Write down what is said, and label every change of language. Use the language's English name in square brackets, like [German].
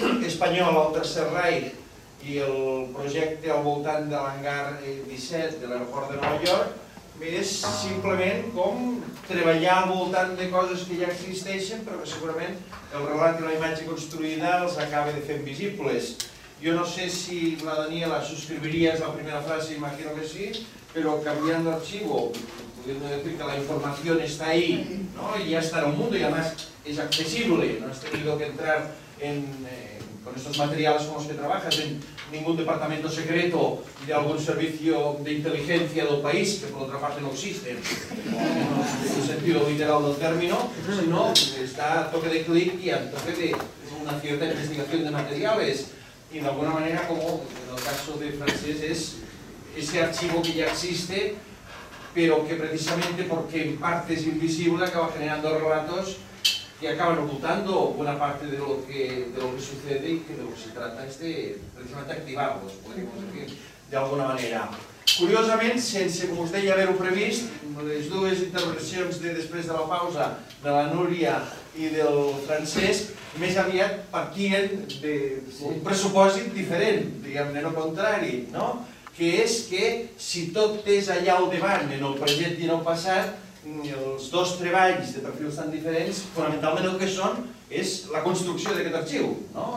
[Catalan] espanyola al Tercer Reich i el projecte al voltant de l'hangar 17 de l'aeroport de Nova York, és simplement com treballar al voltant de coses que ja existeixen, però que segurament el relat i la imatge construïda els acaba de fer visibles. Jo no sé si la Daniela subscriuries la primera frase, imagino que sí, però canviant d'arxiu, podríem dir que la informació està ahí, no? I ja està en el món, i a més és accessible, [Spanish] no has tenido que entrar en, con estos materiales con los que trabajas, en ningún departamento secreto de algún servicio de inteligencia del país, que por otra parte no existe, en el sentido literal del término, sino está a toque de clic y a toque de una cierta investigación de materiales. Y de alguna manera, como en el caso de Francesc, es ese archivo que ya existe, pero que precisamente porque en parte es invisible acaba generando relatos que acaban ocultando buena parte de lo que sucede, y que de lo que se trata es de precisamente activarlos, podríamos decir, de alguna manera. [Catalan] Curiosament, sense, com us deia, haver-ho previst, les dues intervencions de després de la pausa de la Núria i del Francesc, més aviat partien d'un pressupòsit diferent, diguem-ne, no contrari, no? Que és que si tot és allà al davant, en el present i en el passat, els dos treballs de perfils tan diferents, fonamentalment el que són és la construcció d'aquest arxiu, no?